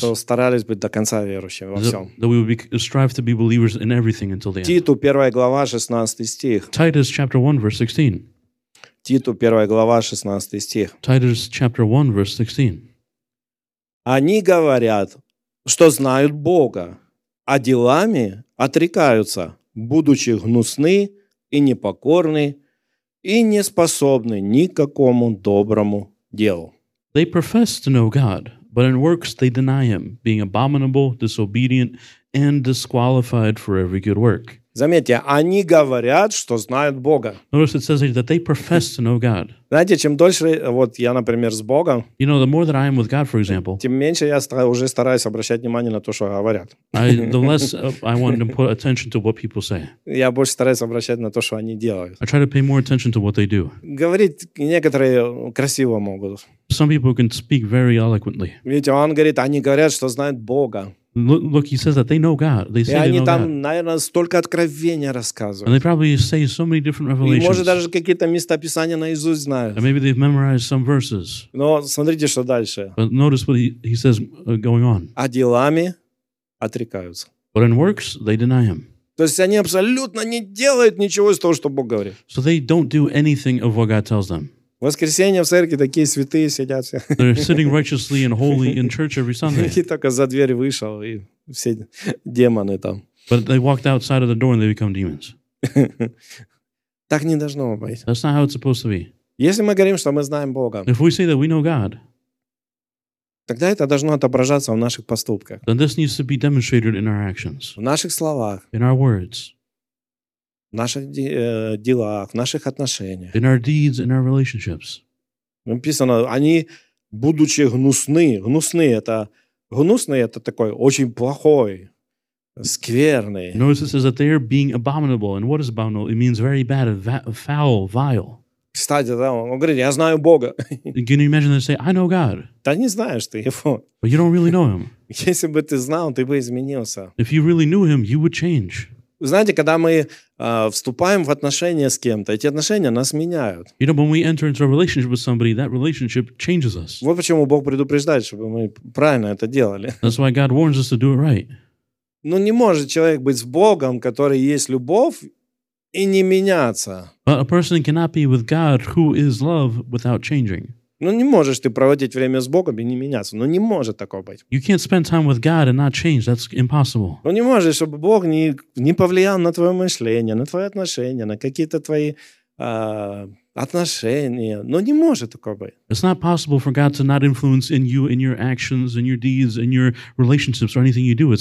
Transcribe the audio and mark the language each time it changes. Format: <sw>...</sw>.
<ru>то старались быть до конца верующими во всем.</ru> <en>That we would strive to be believers in everything until the end.</en> <ru>Титу, 1 глава, 16 стих.</ru> <en>Titus chapter 1 verse 16.</en> <ru>Титу, 1 глава, 16 стих.</ru> <en>Titus chapter 1 verse 16.</en> <ru>Они говорят, что знают Бога, а делами отрекаются, будучи гнусны и непокорны и не способны никакому доброму делу.</ru> <en>They profess to know God, but in works they deny Him, being abominable, disobedient, and disqualified for every good work.</en> <ru>Заметьте, они говорят, что знают Бога.</ru> <en>Notice it says that they profess to know God.</en> <ru>Знаете, чем дольше вот я, например, с Богом,</ru> <en>you know, the more that I am with God, for example,</en> <ru>тем меньше я уже стараюсь обращать внимание на то, что говорят.</ru> <en>The less I want to put attention to what people say.</en> <ru>Я больше стараюсь обращать на то, что они делают.</ru> <en>I try to pay more attention to what they do.</en> <ru>Говорить некоторые красиво могут.</ru> <en>Some people can speak very eloquently.</en> <ru>Видите, он говорит, они говорят, что знают Бога.</ru> <en>Look, he says that they know God. They say they know</en> <ru>там,</ru> <en>God.</en> <ru>Наверное, столько откровения рассказывают.</ru> <en>And they probably say so many different revelations.</en> <ru>И может даже какие-то местописания наизусть знают.</ru> <en>And maybe they've memorized some verses.</en> <ru>Но смотрите, что дальше.</ru> <en>But notice what he says going on.</en> <ru>А делами отрекаются.</ru> <en>But in works, they deny him.</en> <ru>То есть они абсолютно не делают ничего из того, что Бог говорит.</ru> <en>So they don't do anything of what God tells them.</en> <ru>В воскресенье в церкви такие святые сидят.</ru> <en>They're sitting righteously and holy in church every Sunday.</en> <ru>И только за дверь вышел, и все демоны там.</ru> <en>But they walked outside of the door and they become demons.</en> <ru>Так не должно быть.</ru> <en>That's not how it's supposed to be.</en> <ru>Если мы говорим, что мы знаем Бога,</ru> <en>if we say that we know God,</en> <ru>тогда это должно отображаться в наших поступках.</ru> <en>Then this needs to be demonstrated in our actions.</en> <ru>В наших словах.</ru> <en>In our words.</en> <ru>В наших делах, в наших отношениях.</ru> <en>In our deeds, in our relationships.</en> <ru>Написано, они, будучи гнусны, гнусные это такой очой плохой, скверный.</ru> <en>Notice it says that they are being abominable. And what is abominable? It means very bad, foul, vile.</en> <ru>Кстати, да, он говорит, я знаю Бога.</ru> <en>Can you imagine that they say, I know God.</en> <ru>Да не знаешь ты его.</ru> <en>But you don't really know Him.</en> <ru>Если бы ты знал, ты бы изменился.</ru> <en>If you really knew Him, you would change.</en> <ru>Знаете, когда мы вступаем в отношения с кем-то, эти отношения нас меняют.</ru> <en>You know, when we enter into a relationship with somebody, that relationship changes us.</en> <ru>Вот почему Бог предупреждает, чтобы мы правильно это делали.</ru> <en>That's why God warns us to do it right.</en> <ru>Но не может человек быть с Богом, который есть любовь, и не меняться.</ru> <en>But a person cannot be with God who is love without changing.</en> <ru>Ну не можешь ты проводить время с Богом и не меняться. Ну не может такого быть.</ru> <en>You can't spend time with God and not change. That's impossible.</en> <ru>Ну не можешь, чтобы Бог не повлиял на твое мышление, на твои отношения, на какие-то твои отношения. Ну не может такого быть.</ru> <en>It's not possible for God to not influence in you, in your actions, in your deeds, in your relationships or anything you do.</en>